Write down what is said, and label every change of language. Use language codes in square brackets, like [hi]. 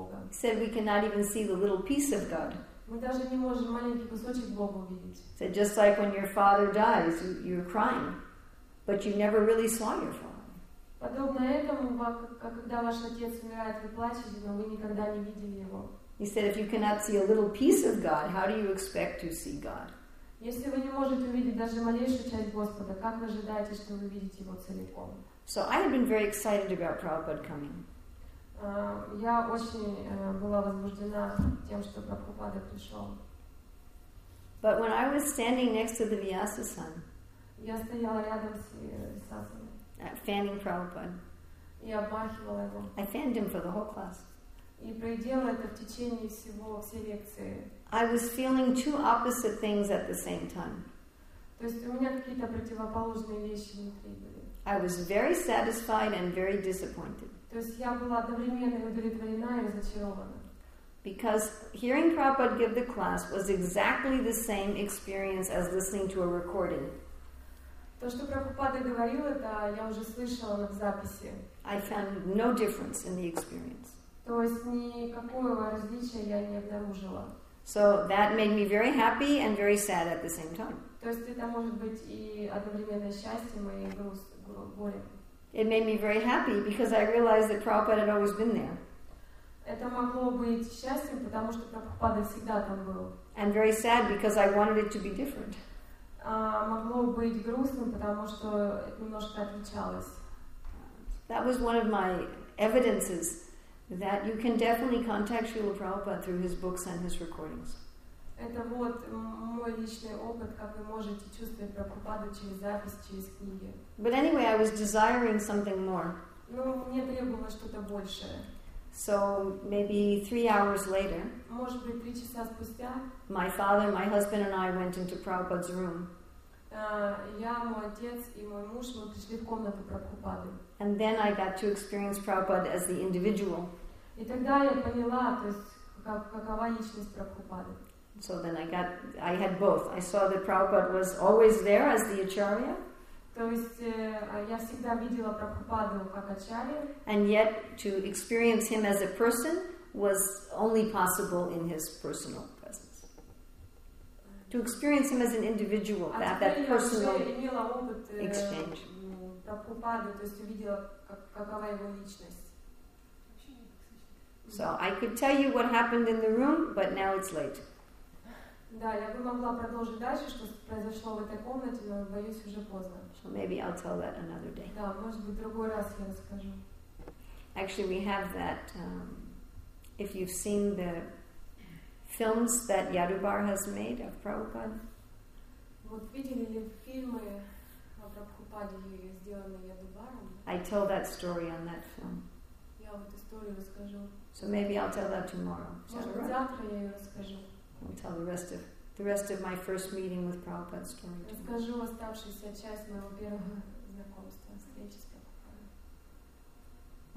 [en] said we cannot even see the little piece of God. [ru] Мы даже не можем маленький кусочек Бога увидеть. [en] So just like when your father dies, you're crying, but you never really saw your father. [ru] Подобно этому, когда ваш отец умирает, вы плачете, но вы никогда не видели его. [en] He said, if you cannot see a little piece of God, how do you expect to see God? [ru] Если вы не можете увидеть даже малейшую часть Господа, как вы ожидаете, что вы увидите его целиком? [en] So I had been very excited about Prabhupada coming. [ru] Я очень была возбуждена тем, что Прабхупада пришел. [en] But when I was standing next to the Vyasa Sun, [ru] я стояла рядом с Вьясасаном. [en] Fanning Prabhupada. [ru] Я обмахивала его. [en] I fanned him for the whole class. [ru] И проделала это в течение всего всей лекции. [en] I was feeling two opposite things at the same time. [ru] То есть у меня какие-то противоположные вещи внутри были. [en] I was very satisfied and very disappointed. [ru] То есть я была одновременно удовлетворена и разочарована. [en] Because hearing Prabhupada give the class was exactly the same experience as listening to a recording. [ru] То, что Прабхупада говорил, это я уже слышала на записи. [en] I found no difference in the experience. [ru] То есть никакого различия я не обнаружила. [en] So that made me very happy and very sad at the same time. [ru] То есть это может быть и одновременно счастьем, и горем. [en] It made me very happy because I realized that Prabhupada had always been there. [ru] Это могло быть счастьем, потому что Прабхупада всегда там был. [en] And very sad because I wanted it to be different. [ru] Могло быть грустным, потому что это немножко отличалось. [en] That was one of my evidences that you can definitely contact Srila Prabhupada through his books and his recordings. [ru] Это вот мой личный опыт, как вы можете чувствовать Прабхупаду через запись, через книги. [en] But anyway, I was desiring something more. [ru] Ну, мне требовалось что-то большее. [en] So maybe 3 hours later, [ru] может быть, 3 часа спустя, [en] my father, my husband, and I went into Prabhupada's room. [ru] Я, мой отец и мой муж, мы пришли в комнату Прабхупады. [en] And then I got to experience Prabhupada as the individual. [ru] И тогда я поняла, то есть какова личность Прабхупады. [en] So then I had both. I saw that Prabhupada was always there as the Acharya. [ru] То есть я всегда видела Прабхупаду как Ачарья. [en] And yet to experience him as a person was only possible in his personal presence. To experience him as an individual, that personal exchange. [ru] Прабхупаду, то есть увидела, какова его личность. [en] So I could tell you what happened in the room, but now it's late. [ru] Да, я бы могла продолжить дальше, что произошло в этой комнате, но боюсь, уже поздно. [en] So maybe I'll tell that another day. [ru] Да, может быть, в другой раз я расскажу. [en] Actually, we have that, if you've seen the films that Yadubar has made of Prabhupada. [ru] Вот видели ли фильмы о Прабхупаде, сделанные Ядубаром? [en] I tell that story on that film. [ru] Я вот историю расскажу. [en] So maybe I'll tell that tomorrow. [ru] Может быть, завтра я ее расскажу. [en] I'll tell the rest of my first meeting with Prabhupada's story. [ru] Расскажу оставшуюся часть моего первого знакомства, встречи с Прабхупадой.